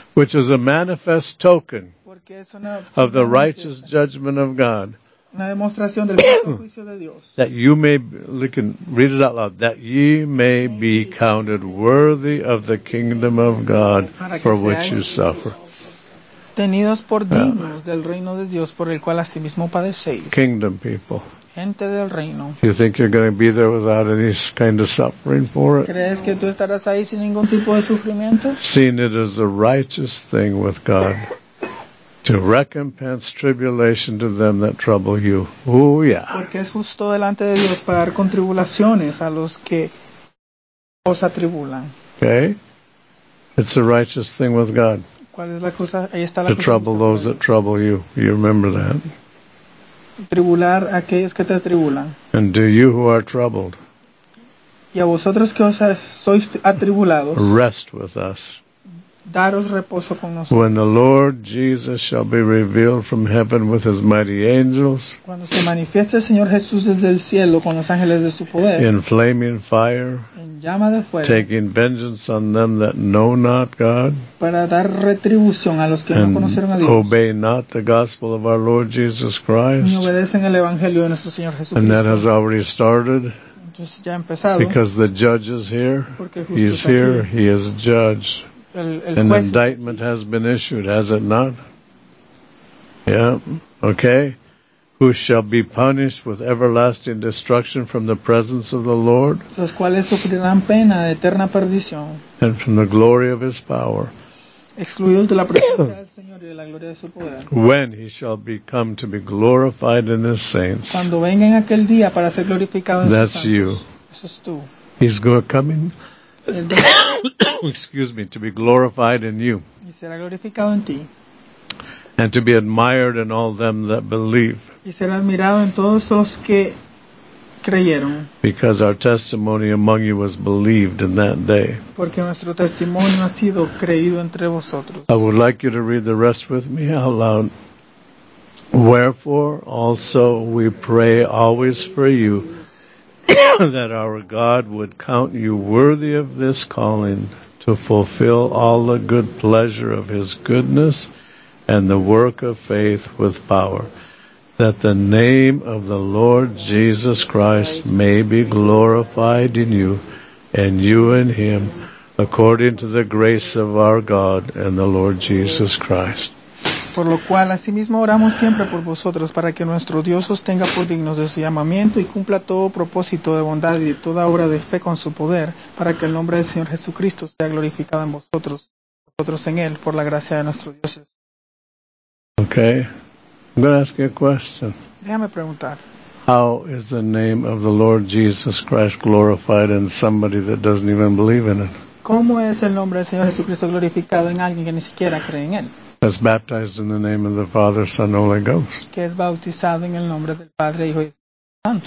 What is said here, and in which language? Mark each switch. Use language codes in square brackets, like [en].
[en] Which is a manifest token of the righteous judgment of God. [es] Una demostración del juicio de Dios. [en] That you may can read it out loud. That ye may be counted worthy of the kingdom of God for which you suffer. [es] Tenidos por dignos del reino de Dios por el cual asimismo padecéis. [en] Kingdom people. [es] Gente del reino. [en] You think you're going to be there without any kind of suffering for it? [es] ¿Crees que tú estarás ahí sin ningún tipo de sufrimiento? [en] Seeing it as a righteous thing with God. To recompense tribulation to them that trouble you. Oh yeah. [es] Porque es justo delante de Dios pagar con tribulaciones a los que os atribulan. [en] Okay. It's a righteous thing with God. [es] ¿Cuál es la cosa? Ahí está la [en] to trouble those that trouble you. You remember that? [es] Tribular a aquellos que te atribulan. [en] And do you who are troubled. [es] Y a vosotros que os sois atribulados. [en] Rest with us. [es] daros reposo con nosotros. [en] When the Lord Jesus shall be revealed from heaven with his mighty angels, [es] cuando se manifieste el Señor Jesús desde el cielo con los ángeles de su poder, [en] in flaming fire, [es] en llama de fuego, [en] taking vengeance on them that know not God, [es] para dar retribución a los que no conocieron a Dios, [en] and obey not the gospel of our Lord Jesus Christ, [es] ni obedecen el evangelio de nuestro Señor Jesucristo. [en] And that has already started. [es] Ya empezado, [en] because the judge is here, he's here, [es] aquí. [en] He is judge. An indictment has been issued, has it not? Yeah, okay. Who shall be punished with everlasting destruction from the presence of the Lord, [es] los cuales sufrirán pena de eterna perdición, [en] and from the glory of his power. [es] Excluidos de la presencia del Señor y de la gloria de su poder. [en] When he shall become to be glorified in his saints. [es] Cuando venga en aquel día para ser glorificado en sus santos. [en] That's you. [es] Eso es tú. [en] He's coming. Excuse me, to be glorified in you. [es] Y será glorificado en ti. [en] And to be admired in all them that believe. [es] Y será admirado en todos los que creyeron. [en] Because our testimony among you was believed in that day. [es] Porque nuestro testimonio ha sido creído entre vosotros. [en] I would like you to read the rest with me out loud. Wherefore also we pray always for you, that our God would count you worthy of this calling, to fulfill all the good pleasure of his goodness and the work of faith with power, that the name of the Lord Jesus Christ may be glorified in you, and you in him, according to the grace of our God and the Lord Jesus Christ. [es] Por lo cual, asimismo oramos siempre por vosotros, para que nuestro Dios os tenga por dignos de su llamamiento y cumpla todo propósito de bondad y de toda obra de fe con su poder, para que el nombre del Señor Jesucristo sea glorificado en vosotros, vosotros en él, por la gracia de nuestro Dios. [en] Okay. I'm going to ask you a question. [es] Déjame preguntar. [en] How is the name of the Lord Jesus Christ glorified in somebody that doesn't even believe in it? [es] ¿Cómo es el nombre del Señor Jesucristo glorificado en alguien que ni siquiera cree en él? [en] That's baptized in the name of the Father, Son, Holy Ghost. [es] Que es bautizado en el nombre del Padre, Hijo y Espíritu Santo.